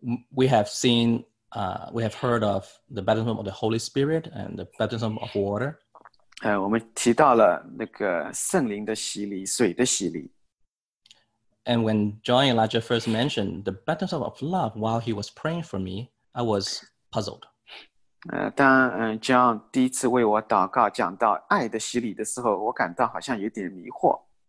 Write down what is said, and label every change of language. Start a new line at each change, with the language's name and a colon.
English: We have seen, we have heard of the baptism of the Holy Spirit and the baptism of water.
Chinese: 我们提到了那个圣灵的洗礼，水的洗礼。
English: And when John Elijah first mentioned the baptism of love while he was praying for me, I was puzzled.
Chinese: 当John第一次为我祷告讲到爱的洗礼的时候，我感到好像有点迷惑。